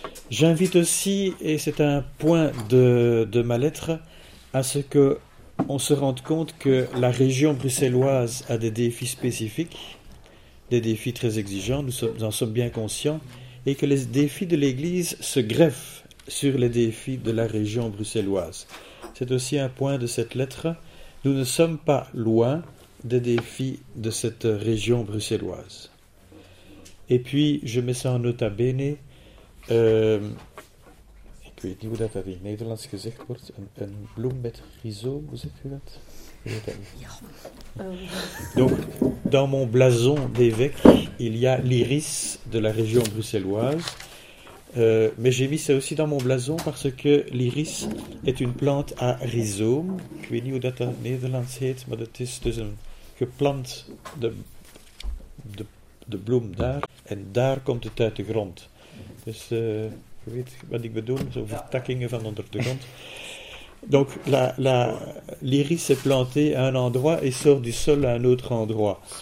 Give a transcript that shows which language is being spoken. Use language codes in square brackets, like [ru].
[fr] J'invite aussi, et c'est un point de ma lettre, à ce qu'on se rende compte que la région bruxelloise a des défis spécifiques, des défis très exigeants, nous en sommes bien conscients, et que les défis de l'Église se greffent sur les défis de la région bruxelloise. C'est aussi un point de cette lettre. Nous ne sommes pas loin des défis de cette région bruxelloise. Et puis, je mets ça en nota bene. [nl] Ik weet niet hoe dat in het Nederlands gezegd wordt. Een bloem met rhizome, hoe zegt u dat? [fr] Donc, dans mon blason d'évêque, il y a l'iris de la région bruxelloise. Mais j'ai mis ça aussi dans mon blason parce que l'iris est une plante à rhizome. Je ne sais pas comment ça s'appelle en Nederlands, mais c'est une plante [nl] de bloem daar. Et daar komt het uit de grond. Dus, je weet wat ik bedoel, zo vertakkingen van onder de grond. [fr] Donc, l'iris est planté à un endroit et sort du sol à un autre endroit.